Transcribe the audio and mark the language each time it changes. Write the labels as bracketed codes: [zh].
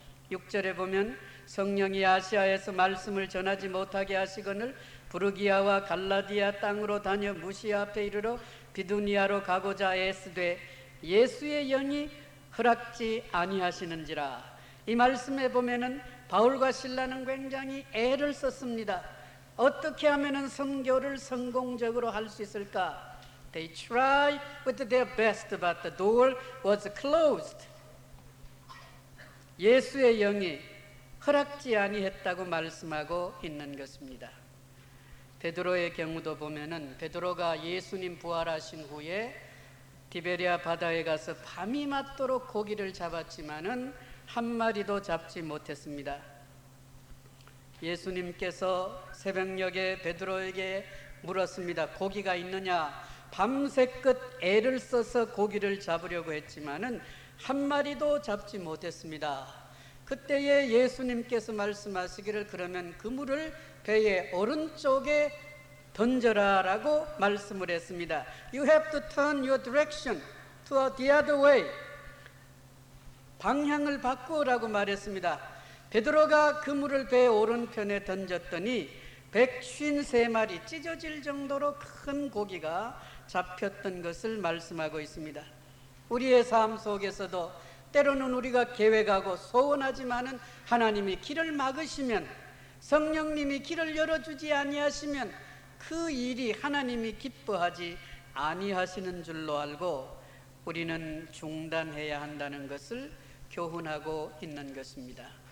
[ko] 6절에 보면 성령이 아시아에서 말씀을 전하지 못하게 하시거늘 부르기아와 갈라디아 땅으로 다녀 무시아 앞에 이르러 비두니아로 가고자 애쓰되 예수의 영이 허락지 아니하시는지라. 이 말씀에 보면은 바울과 실라는 굉장히 애를 썼습니다. 어떻게 하면은 선교를 성공적으로 할 수 있을까? [en] They tried with their best, but the door was closed. [ko] 예수의 영이 허락지 아니했다고 말씀하고 있는 것입니다. 베드로의 경우도 보면은 베드로가 예수님 부활하신 후에 디베리아 바다에 가서 밤이 맞도록 고기를 잡았지만은 한 마리도 잡지 못했습니다. 예수님께서 새벽녘에 베드로에게 물었습니다. 고기가 있느냐? 밤새 끝 애를 써서 고기를 잡으려고 했지만은 한 마리도 잡지 못했습니다. 그때에 예수님께서 말씀하시기를 그러면 그물을 배의 오른쪽에 던져라 라고 말씀을 했습니다. [en] You have to turn your direction to the other way. [ko] 방향을 바꾸라고 말했습니다. 베드로가 그물을 배 오른편에 던졌더니 153마리 찢어질 정도로 큰 고기가 잡혔던 것을 말씀하고 있습니다. 우리의 삶 속에서도 때로는 우리가 계획하고 소원하지만은 하나님이 길을 막으시면 성령님이 길을 열어주지 아니하시면 그 일이 하나님이 기뻐하지 아니하시는 줄로 알고 우리는 중단해야 한다는 것을 교훈하고 있는 것입니다.